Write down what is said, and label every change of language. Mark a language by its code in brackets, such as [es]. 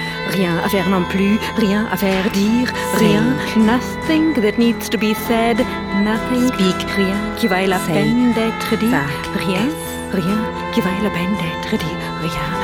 [fr] Rien à faire non plus, rien à faire dire, rien. [en] Nothing that needs to be said, nothing. [fr] Speak, rien qui vaille la peine d'être dit, rien. Rien qui vaille la peine d'être dit, rien.